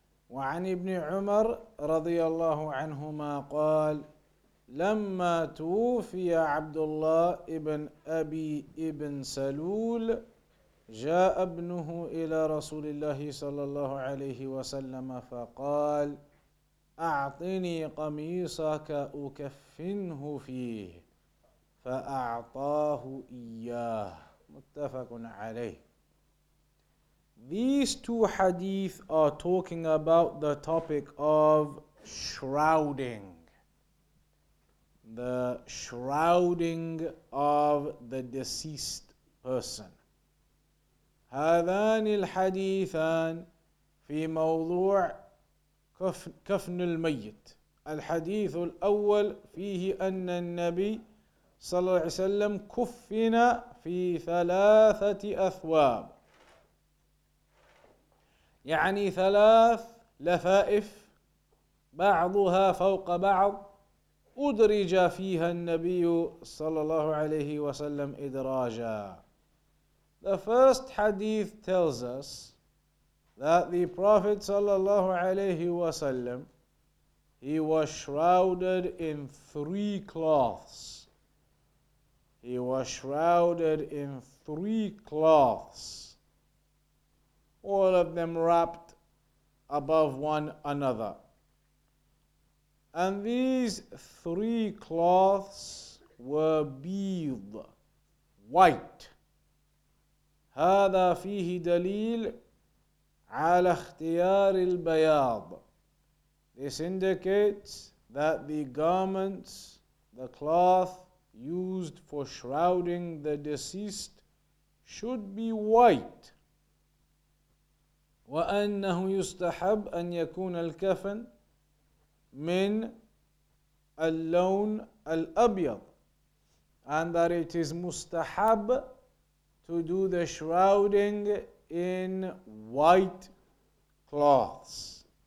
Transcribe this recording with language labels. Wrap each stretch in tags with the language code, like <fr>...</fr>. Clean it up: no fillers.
<ar>وعن ابن عمر رضي الله عنهما قال لما توفي عبد الله ابن أبي ابن سلول جاء ابنه إلى رسول الله صلى الله عليه وسلم فقال أعطني قميصك أكفنه فيه فَأَعْطَاهُ إِيَّاهُ مُتَّفَقٌ عَلَيْهِ.</ar> <en>These two hadith are talking about the topic of shrouding. The shrouding of the deceased person.</en> <ar>هَذَانِ الْحَدِيثَانِ فِي مَوْضُوعِ كَفْنُ الْمَيِّتِ. الْحَدِيثُ الْأَوَّلُ فِيهِ أَنَّ النَّبِيِّ صلى الله عليه وسلم كفن في ثلاثة أثواب, يعني ثلاث لفائف بعضها فوق بعض أدرج فيها النبي صلى الله عليه وسلم إدراجا.</ar> <en>The first hadith tells us that the Prophet</en> <ar>صلى الله عليه وسلم,</ar> <en>he was shrouded in three cloths. He was shrouded in three cloths, all of them wrapped above one another. And these three cloths were bid, white.</en> <ar>هذا فيه دليل على اختيار البياض.</ar> <en>This indicates that the garments, the cloth, used for shrouding the deceased should be white.</en> <ar>وَأَنَّهُ يُسْتَحَبْ أَنْ يَكُونَ الْكَفَنْ مِنْ اللَّوْنِ الْأَبْيَضِ,</ar> <en>and that it is mustahab to do the shrouding in white cloths.</en>